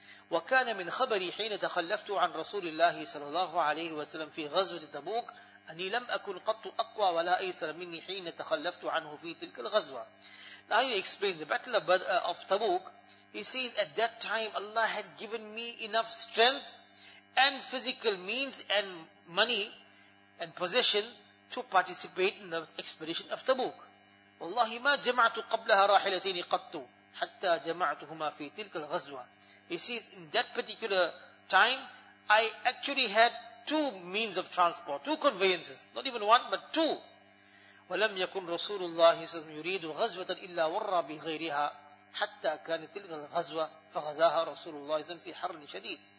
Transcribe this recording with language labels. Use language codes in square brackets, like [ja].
[ar] وَكَانَ مِنْ خَبَرِي حِينَ تَخَلَّفْتُ عَنْ رَسُولِ اللَّهِ صَلَى اللَّهُ عَلَيْهِ وَسَلَمْ فِي غَزْوَةِ تَبُوكِ أني لم أكن قط أقوى ولا أيسر مني حين تخلفت عنه في تلك الغزوة. [en] Now he explains the battle of Tabuk. He says, at that time Allah had given me enough strength and physical means and money and possession to participate in the expedition of Tabuk. [ar] والله ما جمعت قبلها راحلتين قط حتى جمعتهما في تلك الغزوة. [en] He says, in that particular time I actually had two means of transport, two conveyances, not even one, but two. [ar] وَلَمْ يَكُنْ رَسُولُ اللَّهِ سَلَمْ يُرِيدُ غَزْوَةً إِلَّا وَرَّى بِغَيْرِهَا حَتَّى كَانَتِ تِلْغَ الْغَزْوَةِ فَغَزَاهَا رَسُولُ اللَّهِ سَلَمْ فِي حَرٍ شَدِيدٍ.